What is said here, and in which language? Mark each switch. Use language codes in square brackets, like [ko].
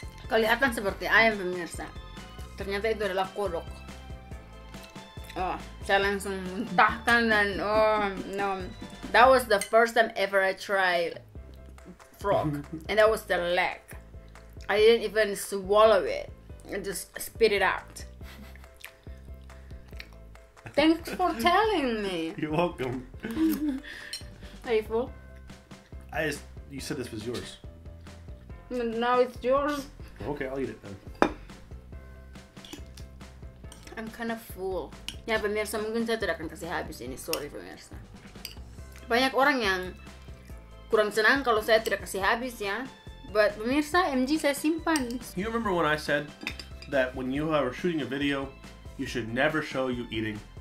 [id] Kelihatan seperti ayam pemirsa. Ternyata itu adalah kodok. Oh, saya langsung muntahkan dan oh no. [en] That was the first time ever I tried frog. And that was the leg. I didn't even swallow it. I just spit it out. Thanks for telling me. You're welcome. Are you full? You said this was yours. Now it's yours. Okay, I'll eat it then. I'm kind of full. [id] Ya pemirsa, mungkin saya tidak akan kasih habis ini. Sorry pemirsa. Banyak orang yang kurang senang kalau saya tidak kasih habis ya. But pemirsa, MG saya simpan. [en] You remember when I said that when you are shooting a video, you should never show you eating?